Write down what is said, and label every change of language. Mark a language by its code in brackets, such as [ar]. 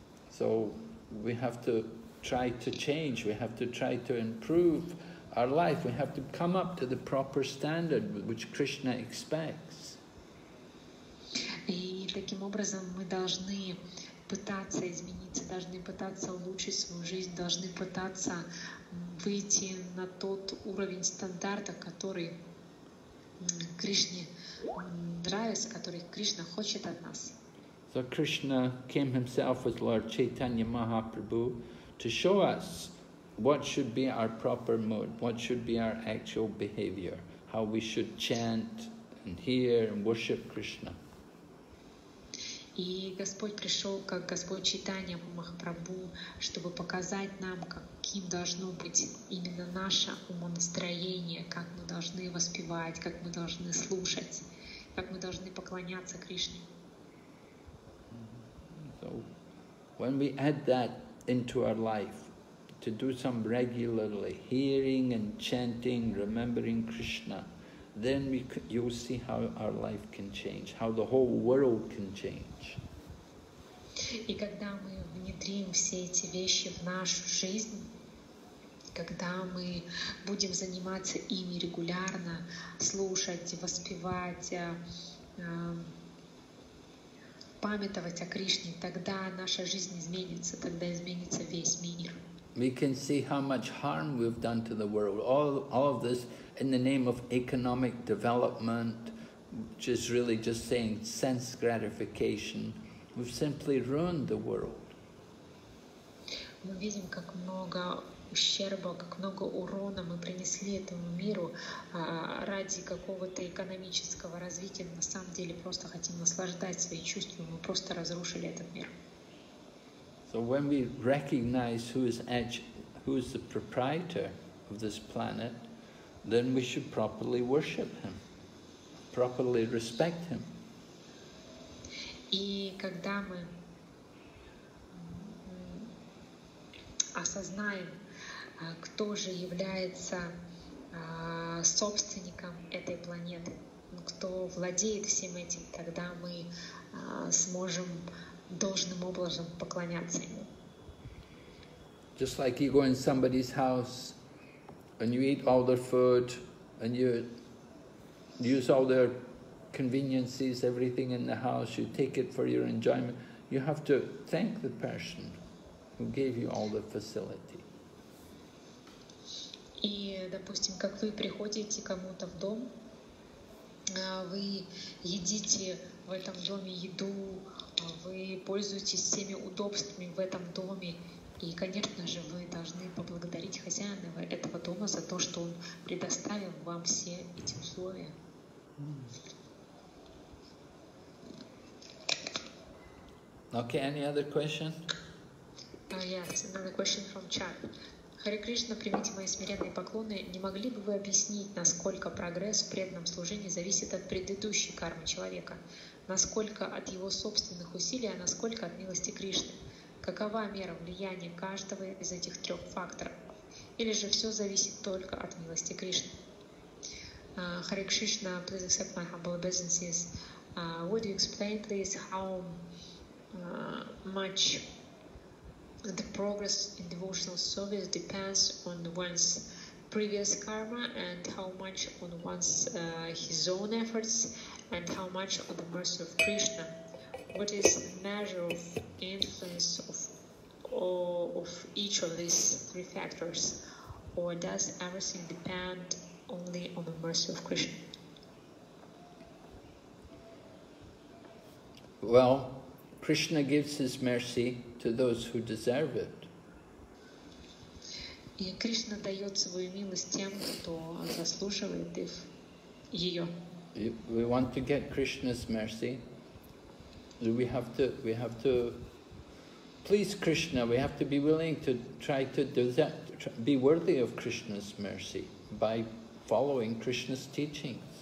[en] So we have to try to change, we have to try to improve our life, we have to come up to the proper standard which Krishna expects. [ru] И таким образом мы должны пытаться измениться, должны пытаться улучшить свою жизнь, должны пытаться выйти на тот уровень стандарта, который Кришне нравится, который Кришна хочет от нас. [en] So Krishna came himself as Lord Chaitanya Mahaprabhu to show us what should be our proper mood, what should be our actual behavior, how we should chant and hear and worship Krishna. [ru] И Господь пришел, как Господь Чайтанья Махапрабху, чтобы показать нам, каким должно быть именно наше умонастроение, как мы должны воспевать, как мы должны слушать, как мы должны поклоняться Кришне. [en] So, when we add that into our life, to do some regularly, hearing and chanting, remembering Krishna, then you'll see how our life can change, how the whole world can change. [ru] И когда мы внедрим все эти вещи в нашу жизнь, когда мы будем заниматься ими регулярно, слушать, воспевать, памятовать о Кришне, тогда наша жизнь изменится, тогда изменится весь мир. [en] We can see how much harm we've done to the world. All of this in the name of economic development, which is really just saying sense gratification, we've simply ruined the world. [ru] Мы видим, как много ущерба, как много урона мы принесли этому миру ради какого-то экономического развития. На самом деле просто хотим наслаждать свои чувства, мы просто разрушили этот мир. [en] So when we recognize who is the proprietor of this planet, then we should properly worship him, properly respect him. [ru] И когда мы осознаем, кто же является собственником этой планеты, кто владеет всем этим, тогда мы сможем должным образом поклоняться ему. [en] Just like you go in somebody's house and you eat all their food and you use all their conveniences, everything in the house, you take it for your enjoyment, you have to thank the person who gave you all the facility. [ru] И, допустим, как вы приходите кому-то в дом, вы едите в этом доме еду, вы пользуетесь всеми удобствами в этом доме, и, конечно же, вы должны поблагодарить хозяина этого дома за то, что он предоставил вам все эти условия. [en] Okay, any other question? Yes, another question from chat. [ru] Харе Кришна, примите мои смиренные поклоны. Не могли бы вы объяснить, насколько прогресс в преданном служении зависит от предыдущей кармы человека? Насколько от его собственных усилий, а насколько от милости Кришны? Какова мера влияния каждого из этих трех факторов? Или же все зависит только от милости Кришны? [en] Харе Кришна, please accept my humble obeisances. Would you explain, please, how much the progress in devotional service depends on one's previous karma and how much on one's his own efforts and how much on the mercy of Krishna? What is the measure of influence of each of these three factors? Or does everything depend only on the mercy of Krishna? Well, Krishna gives his mercy to those who deserve it. [ru] И Кришна дает свою милость тем, кто заслуживает ее. [en] We want to get Krishna's mercy. We have to please Krishna. We have to be willing to try to do that, be worthy of Krishna's mercy by following Krishna's teachings.